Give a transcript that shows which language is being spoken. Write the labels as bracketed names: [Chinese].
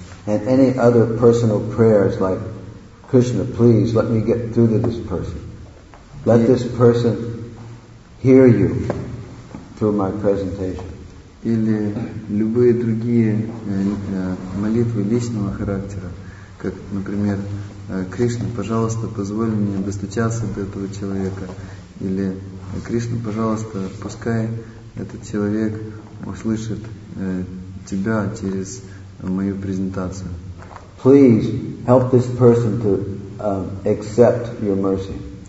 [English] And any other personal prayers like, Krishna, please let me get through to this person. Let this person hear you through my presentation. [Russian] Или любые другие молитвы личного характера, как, например, Кришна, пожалуйста, позволь мне достучаться до этого человека. Или Кришна, пожалуйста, пускай этот человек услышит тебя через мою презентацию. [English] Please help this person to accept your mercy.